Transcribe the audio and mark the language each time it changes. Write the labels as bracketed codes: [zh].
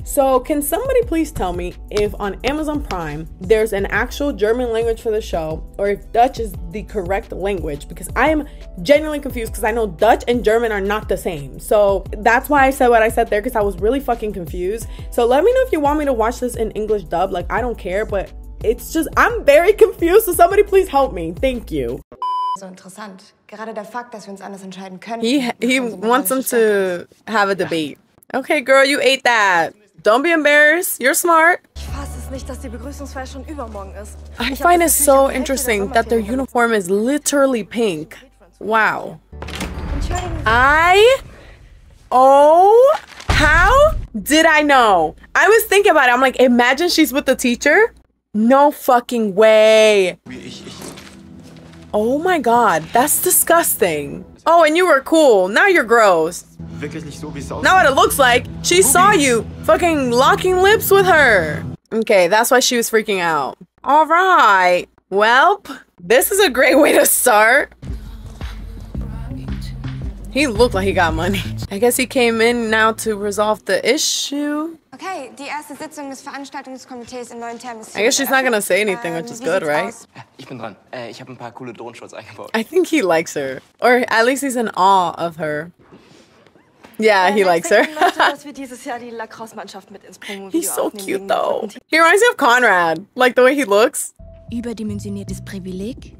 [en] So can somebody please tell me if on Amazon Prime there's an actual German language for the show, or if Dutch is the correct language? Because I am genuinely confused because I know Dutch and German are not the same. So that's why I said what I said there, because I was really fucking confused. So let me know if you want me to watch this in English dub. Like, I don't care, but it's just, I'm very confused. So somebody please help me. Thank you. [de] So interessant. Gerade der Fakt, dass wir uns anders entscheiden können. [en] He wants them to have a debate. Okay, girl, you ate that. Don't be embarrassed. You're smart. I find it so interesting that their uniform is literally pink. Wow. How did I know? I was thinking about it. I'm like, imagine she's with the teacher. No fucking way. Oh my god, that's disgusting. Oh, and you were cool. Now you're gross. Now what it looks like, she saw you fucking locking lips with her. Okay, that's why she was freaking out. All right. Welp, this is a great way to start. He looked like he got money. I guess he came in now to resolve the issue. [de] Okay, die erste Sitzung des Veranstaltungskomitees im neuen Term. [en] I guess she's not gonna say anything, which is good, right? [de] Ich bin dran. Ich habe ein paar coole Drohnenshots eingebaut. [en] I think he likes her, or at least he's in awe of her. Yeah, he likes her. He's so cute, though. He reminds me of Conrad, like the way he looks. [de] Überdimensioniertes Privileg.